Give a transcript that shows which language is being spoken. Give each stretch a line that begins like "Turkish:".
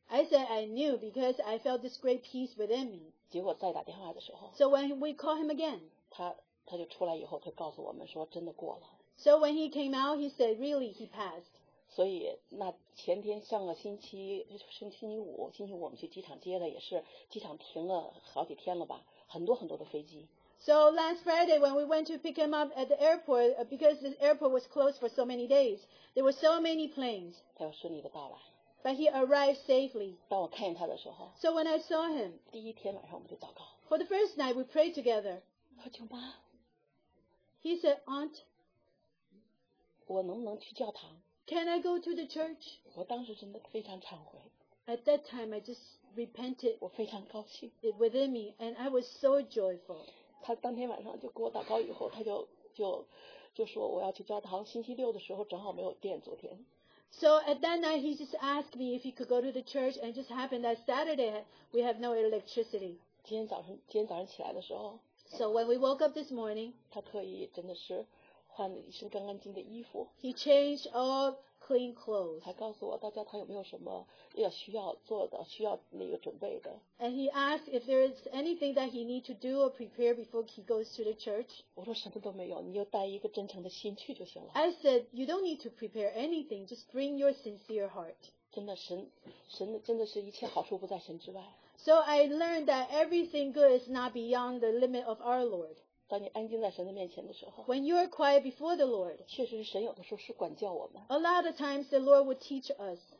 English: I said, I knew because I felt this great peace within me.
Chinese: 结果再打电话的时候。
English: So when we call him again.
Chinese: 他就出来以后，他告诉我们说真的过了。
English: So when he came out, he said, really, he passed.
Chinese: 所以那前天上个星期，星期五我们去机场接的，也是机场停了好几天了吧，很多很多的飞机。
English: So last Friday when we went to pick him up at the airport, because the airport was closed for so many days, there were so many planes.
Chinese: 他要顺利的到来。
English: But he arrived safely.
Chinese: 当我看见他的时候。
English: So when I saw him,
Chinese: 第一天晚上我们就祷告。
English: For the first night, we prayed together.
Chinese: 我舅妈。
English: He said, Aunt,
Chinese: 我能不能去教堂？
English: Can I go to the church?
Chinese: 我当时真的非常忏悔。
English: At that time, I just repented.
Chinese: 我非常高兴。
English: It within me, and I was so joyful.
Chinese: 他当天晚上就给我祷告以后，他就说我要去教堂。星期六的时候正好没有电，昨天。
English: So at that night he just asked me if he could go to the church, and it just happened that Saturday we have no electricity.
Chinese: 今天早上起来的时候。
English: So when we woke up this morning,
Chinese: 他特意真的是换了一身干干净的衣服。
English: He changed all clean clothes.
Chinese: 他告诉我大家他有没有什么需要做的，需要那个准备的。
English: And he asked if there is anything that he need to do or prepare before he goes to the church.
Chinese: 我说什么都没有，你就带一个真诚的心去就行了。
English: I said, you don't need to prepare anything, just bring your sincere heart.
Chinese: 真的，神真的是一切好处不在神之外。
English: So I learned that everything good is not beyond the limit of our Lord.
Chinese: 当你安静在神的面前的时候,
English: when you are quiet before the Lord,
Chinese: 确实神有的时候是管教我们,
English: a lot of times the Lord would teach us.